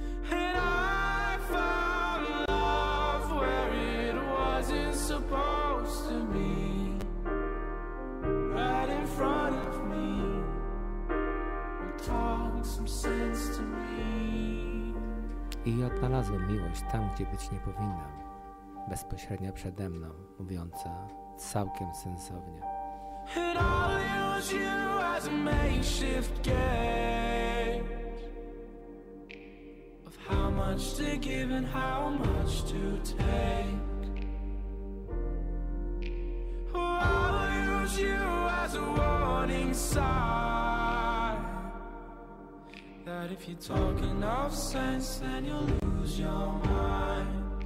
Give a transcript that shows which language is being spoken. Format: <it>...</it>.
<en>And I found love where it wasn't supposed to be. Right in front of me, it talks some sense to me.</en> <pl>I odnalazłem miłość tam, gdzie być nie powinnam. Bezpośrednio przede mną, mówiąca całkiem sensownie.</pl> <en>And I'll use you as a makeshift gauge of how much to give and how much to take. Oh, I'll use you as a warning sign that if you talk enough sense, then you'll lose your mind.</en>